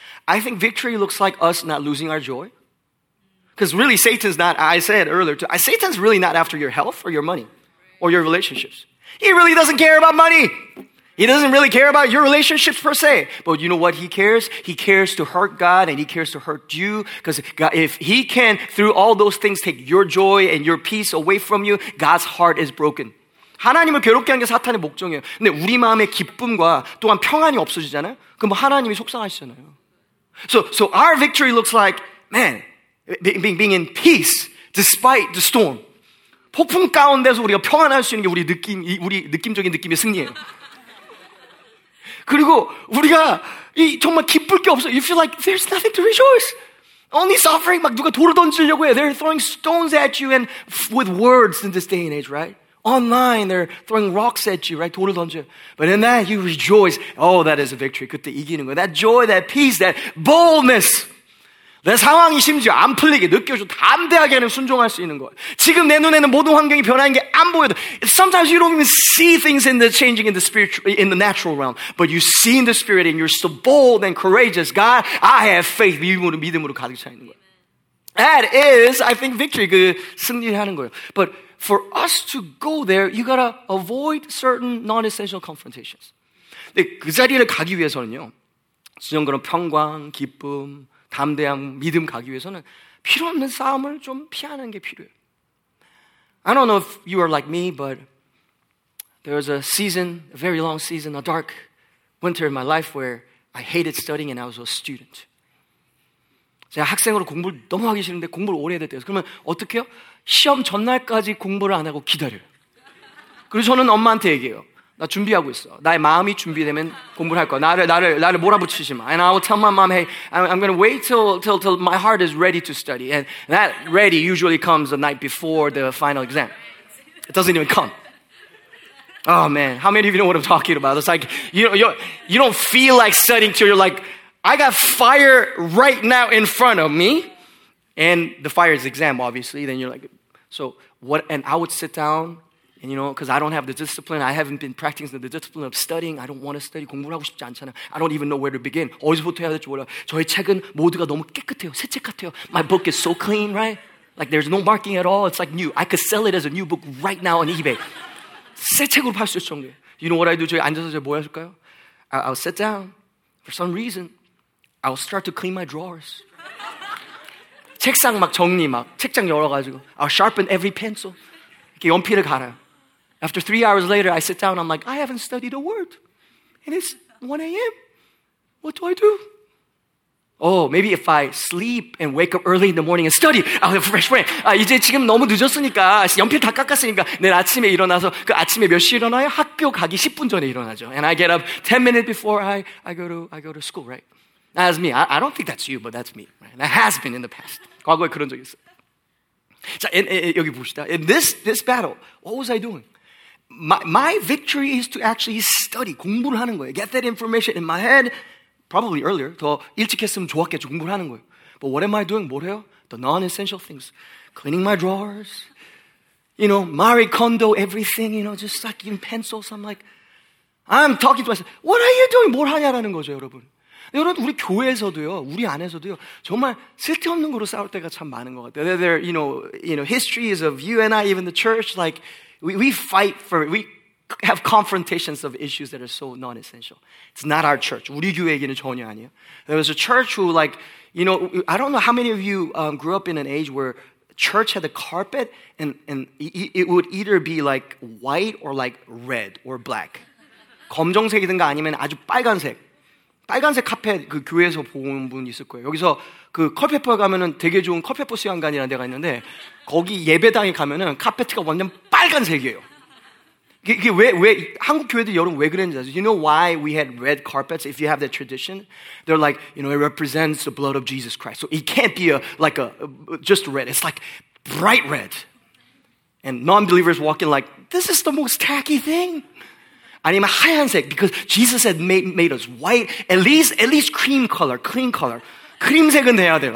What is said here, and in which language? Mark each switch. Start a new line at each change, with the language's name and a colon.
English: I think victory looks like us not losing our joy. Because really, Satan's not, I said earlier, too, Satan's really not after your health or your money or your relationships. He really doesn't care about money. He doesn't really care about your relationships per se. But you know what he cares? He cares to hurt God and he cares to hurt you. Because if he can, through all those things, take your joy and your peace away from you, God's heart is broken.
Korean: 하나님을 괴롭게 하는 게 사탄의 목적이에요. 근데 우리 마음의 기쁨과 또한 평안이 없어지잖아요. 그럼 하나님이 속상하시잖아요.
English: So our victory looks like, man, being in peace despite the storm.
Korean: 폭풍 가운데서 우리가 평안할 수 있는 게 우리 느낌, 우리 느낌적인 느낌의 승리예요. 그리고 우리가 이 정말 기쁠 게 없어.
English: You feel like there's nothing to rejoice. Only suffering.
Korean: 막 누가 돌을 던지려고 해.
English: They're throwing stones at you and with words in this day and age, right? Online, they're throwing rocks at you, right?
Korean: 돌을 던져.
English: But in that, you rejoice. Oh, that is a victory.
Korean: 그때 이기는 거야.
English: That joy, that peace, that boldness.
Korean: 내 상황이 심지어 안 풀리게 느껴져. 담대하게는 순종할 수 있는 거야. 지금 내 눈에는 모든 환경이 변하는 게 안 보여도.
English: Sometimes you don't even see things in the changing in the spiritual, in the natural realm. But you see in the spirit and you're so bold and courageous. God, I have faith.
Korean: 믿음으로 가득 차 있는 거야.
English: That is, I think, victory.
Korean: 그 승리하는 거예요.
English: But for us to go there, you gotta avoid certain non-essential confrontations.
Korean: 근데 그 자리를 가기 위해서는요, 진정 그런 평강, 기쁨, 담대함, 믿음 가기 위해서는 필요 없는 싸움을 좀 피하는 게 필요해요.
English: I don't know if you are like me, but there was a season, a very long season, a dark winter in my life where I hated studying and I was a student.
Korean: 제가 학생으로 공부를 너무 하기 싫은데 공부를 오래 해야 돼서. 그러면 어떻게 해요? 시험 전날까지 공부를 안 하고 기다려요. 그리고 저는 엄마한테 얘기해요. 나 준비하고 있어. 나의 마음이 준비되면 공부를 할 거야. 나를 몰아붙이지 마.
English: And I will tell my mom, hey, I'm going to wait till my heart is ready to study. And that ready usually comes the night before the final exam. It doesn't even come. Oh, man. How many of you know what I'm talking about? It's like, you don't feel like studying till you're like, I got fire right now in front of me. And the fire is exam, obviously. Then you're like, so what? And I would sit down, and you know, because I don't have the discipline. I haven't been practicing the discipline of studying. I don't want to study.
Korean: 공부를 하고 싶지 않잖아.
English: I don't even know where to begin.
Korean: 어디서부터 해야 될지 몰라. 저희 책은 모두가 너무 깨끗해요. 새 책 같아요.
English: My book is so clean, right? Like there's no marking at all. It's like new. I could sell it as a new book right now on eBay.
Korean: 새 책으로 팔 수 있을 정도예요.
English: You know what I do?
Korean: 저희 앉아서 제가 뭐 하실까요?
English: I'll sit down for some reason. I'll start to clean my drawers.
Korean: 책상 막 정리 막 책장 열어가지고
English: I'll sharpen every pencil.
Korean: 이렇게 연필을 갈아요.
English: After 3 hours later, I sit down. I'm like, I haven't studied a word. And it's 1 a.m. What do I do? Oh, maybe if I sleep and wake up early in the morning and study, I'll have a fresh brain.
Korean: 아, 이제 지금 너무 늦었으니까 연필 다 깎았으니까 내일 아침에 일어나서 그 아침에 몇 시에 일어나요? 학교 가기 10분 전에 일어나죠.
English: And I get up 10 minutes before I go to school, right? That's me. I don't think that's you, but that's me. Right? That has been in the past.
Korean: 과거에 그런 적이 있어요. 자, 여기 봅시다.
English: In this battle, what was I doing? My victory is to actually study,
Korean: 공부를 하는 거예요.
English: Get that information in my head, probably earlier,
Korean: 더 일찍 했으면 좋았겠죠, 공부를 하는 거예요.
English: But what am I doing?
Korean: 뭘 해요?
English: The non-essential things. Cleaning my drawers, you know, Marie Kondo, everything, you know, just like in pencils. I'm like, I'm talking to myself. What are you doing?
Korean: 뭘 하냐라는 거죠, 여러분. 여러분 우리 교회에서도요, 우리 안에서도요, 정말 쓸데없는 거로 싸울 때가 참 많은 것 같아요.
English: There, you know, histories of you and I, even the church, like we fight for, we have confrontations of issues that are so non-essential. It's not our church.
Korean: 우리 교회에게는 전혀 아니에요.
English: There was a church who, like, you know, I don't know how many of you grew up in an age where church had a carpet and it would either be like white or like red or black.
Korean: 검정색이든가 아니면 아주 빨간색. 빨간색 카펫 그 교회에서 본 분 있을 거예요. 여기서 그 컬페퍼 가면은 되게 좋은 컬페퍼 수양관이라는 데가 있는데 거기 예배당에 가면은 카펫이 완전 빨간색이에요. 이게 왜 한국 교회들 여러분 왜 그랬는지 아세요?
English: You know why we had red carpets? If you have that tradition, they're like, you know, it represents the blood of Jesus Christ. So it can't be like a just red. It's like bright red. And non-believers walk in like, this is the most tacky thing.
Korean: 아니면 하얀색,
English: because Jesus had made us white, at least cream color, clean color.
Korean: 크림색은 돼야 돼요.